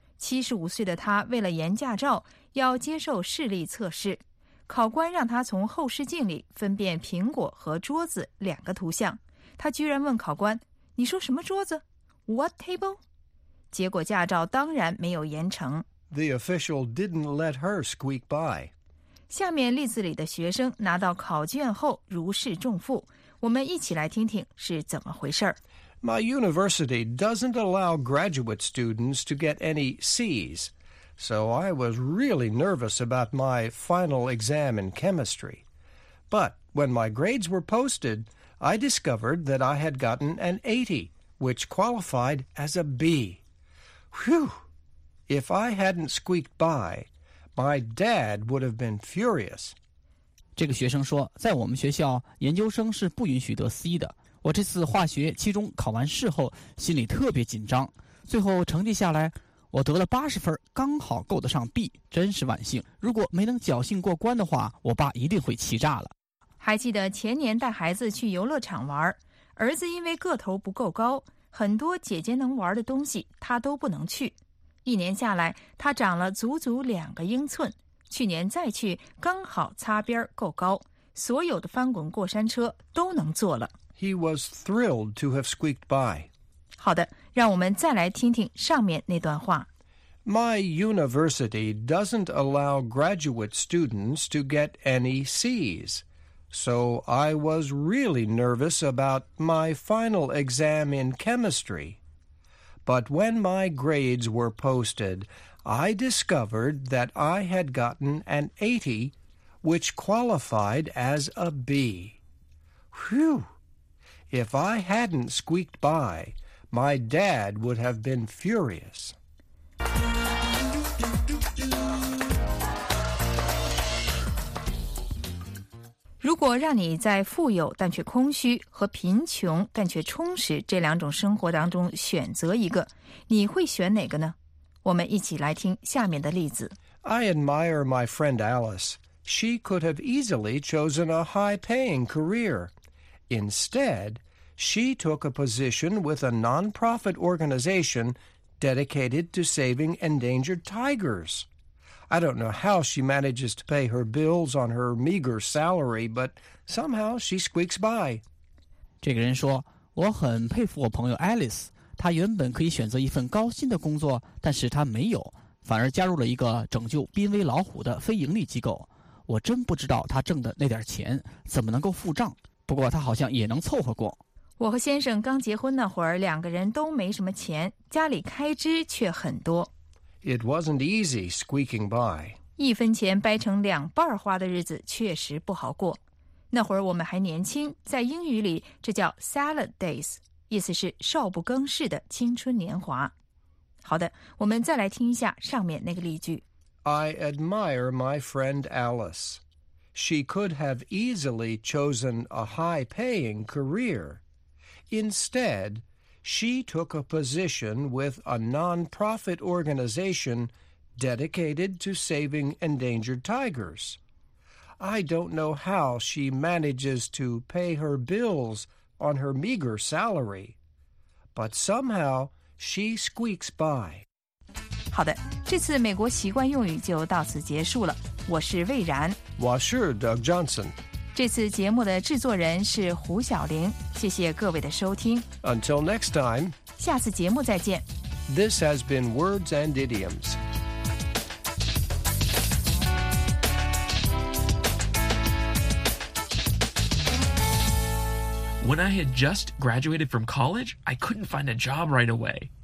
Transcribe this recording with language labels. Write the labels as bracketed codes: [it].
[zh] 75岁的她为了研驾照要接受视力测试，考官让她从后视镜里分辨苹果和桌子两个图像，她居然问考官，你说什么桌子 ？ [en] What table？ [zh] 结果驾照当然没有延成。 [en] The official didn't let her squeak by. [zh] 下面例子里的学生拿到考卷后如释重负，我们一起来听听是怎么回事。 [en] My university doesn't allow graduate students to get any C's, so I was really nervous about my final exam in chemistry. But when my grades were posted,I discovered that I had gotten an 80, which qualified as a B. Whew! If I hadn't squeaked by, my dad would have been furious. [zh] 这个学生说，在我们学校，研究生是不允许得 C 的。我这次化学期中考完试后，心里特别紧张。最后成绩下来，我得了80分，刚好够得上 B, 真是万幸。如果没能侥幸过关的话，我爸一定会气炸了。还记得前年带孩子去游乐场玩，儿子因为个头不够高，很多姐姐能玩的东西他都不能去。一年下来，他长了足足两个英寸。去年再去，刚好擦边够高，所有的翻滚过山车都能坐了。 [en] He was thrilled to have squeaked by. [zh] 好的，让我们再来听听上面那段话。 [en] My university doesn't allow graduate students to get any C's. So I was really nervous about my final exam in chemistry. But when my grades were posted, I discovered that I had gotten an 80, which qualified as a B. Whew! If I hadn't squeaked by, my dad would have been furious. [zh] 如果让你在富有但却空虚和贫穷但却充实这两种生活当中选择一个，你会选哪个呢？我们一起来听下面的例子。 [en] I admire my friend Alice. She could have easily chosen a high-paying career. Instead, she took a position with a non-profit organization dedicated to saving endangered tigers. I don't know how she manages to pay her bills on her meager salary, but somehow she squeaks by. [zh] 这个人说，我很佩服我朋友 Alice, 她原本可以选择一份高薪的工作，但是她没有，反而加入了一个拯救濒危老虎的非盈利机构。我真不知道她挣的那点钱怎么能够付账，不过她好像也能凑合过。我和先生刚结婚那会儿，两个人都没什么钱，家里开支却很多。 [en] It wasn't easy squeaking by. [zh] 一分钱掰成两半花的日子确实不好过。那会儿我们还年轻，在英语里这叫 salad days, 意思是少不更事的青春年华。好的，我们再来听一下上面那个例句。 [en] I admire my friend Alice. She could have easily chosen a high-paying career. Instead,She took a position with a non-profit organization dedicated to saving endangered tigers. I don't know how she manages to pay her bills on her meager salary, but somehow she squeaks by. [zh] 好的，这次美国习惯用语就到此结束了。我是魏然。我是 Doug Johnson。这次节目的制作人是胡晓玲，谢谢各位的收听。 [en] Until next time. [zh] 下次节目再见。 [en] This has been Words and Idioms. When I had just graduated from college, I couldn't find a job right away.